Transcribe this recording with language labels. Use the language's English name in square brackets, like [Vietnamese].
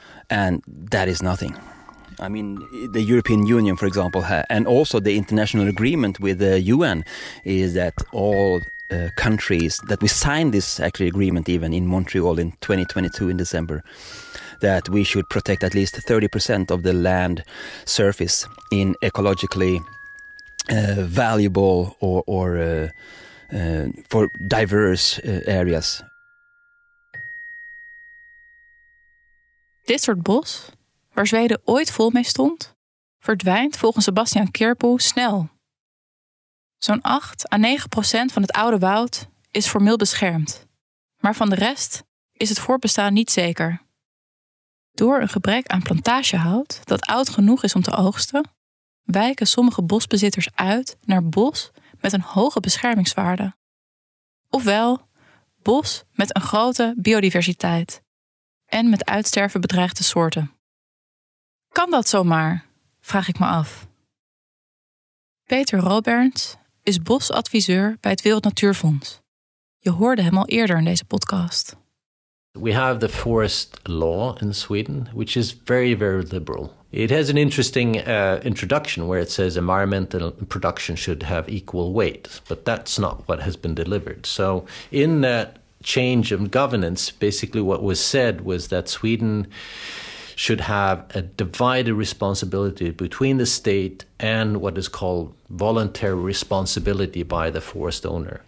[English] And that is nothing. I mean, the European Union, for example, and also the international agreement with the UN is that all countries that we signed this actually agreement even in Montreal in 2022 in December, that we should protect at least 30% of the land surface in ecologically valuable or for diverse areas. [Dutch] Dit soort bos, waar Zweden ooit vol mee stond, verdwijnt volgens Sebastian Kirpoe snel. Zo'n 8-9% van het oude woud is formeel beschermd. Maar van de rest is het voortbestaan niet zeker. Door een gebrek aan plantagehout dat oud genoeg is om te oogsten, wijken sommige bosbezitters uit naar bos met een hoge beschermingswaarde. Ofwel, bos met een grote biodiversiteit en met uitsterven bedreigde soorten. Kan dat zomaar? Vraag ik me af. Peter Roberts is bosadviseur bij het Wereld Natuurfonds. Je hoorde hem al eerder in deze podcast. [English] We have the forest law in Sweden, which is very, very liberal. It has an interesting introduction where it says environmental production should have equal weight, but that's not what has been delivered. So in that change of governance, basically what was said was that Sweden should have a divided responsibility between the state and what is called voluntary responsibility by the forest owner.